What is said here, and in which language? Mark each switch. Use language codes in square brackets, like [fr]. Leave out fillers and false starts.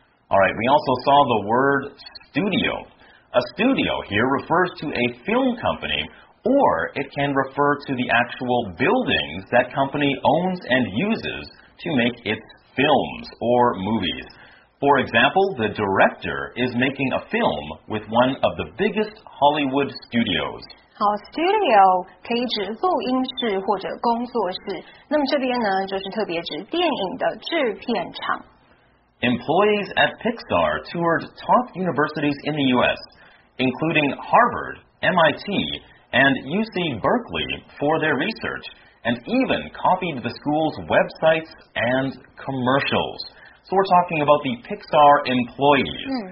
[en] All right, we also saw the word studio. A studio here refers to a film company, or it can refer to the actual buildings that company owns and uses to make its films or movies. For example, the director is making a film with one of the biggest Hollywood studios. [zh] 好 ,studio 可以指录音室或者工作室。那么这边呢就是特别指电影的制片厂。 [en] Employees at Pixar toured top universities in the US, including Harvard, MIT, and UC Berkeley for their research, and even copied the school's websites and commercials. So we're talking about the Pixar employees.、